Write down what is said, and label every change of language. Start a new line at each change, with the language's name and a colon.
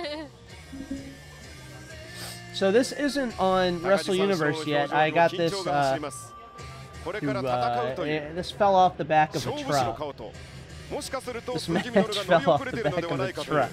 Japanese: いいですね。あの、新幹線って発車する時の音楽とかあるじゃないですか。はい。どちらの人もいませんとか。はい。風になるも悪くないです。結構なんか目が覚めちゃいますね。はい。
English: So this isn't on Wrestle Universe yet. I got this this fell off the back of a truck.
Japanese: もしかすると、ブギミノルが乗り遅れてるのではないかと。